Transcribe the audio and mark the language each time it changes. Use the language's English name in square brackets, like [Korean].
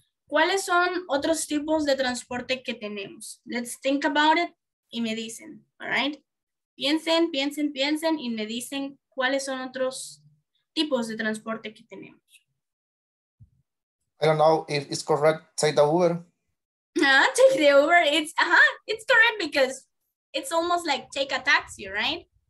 [Spanish] ¿Cuáles son otros tipos de transporte que tenemos? [English] Let's think about it [Spanish] y me dicen, [English] all right? [Spanish] Piensen, piensen, piensen y me dicen cuáles son otros tipos de transporte que tenemos. [English] I don't know if it's correct, take the Uber. Take the Uber, it's correct because it's almost like take a taxi, right?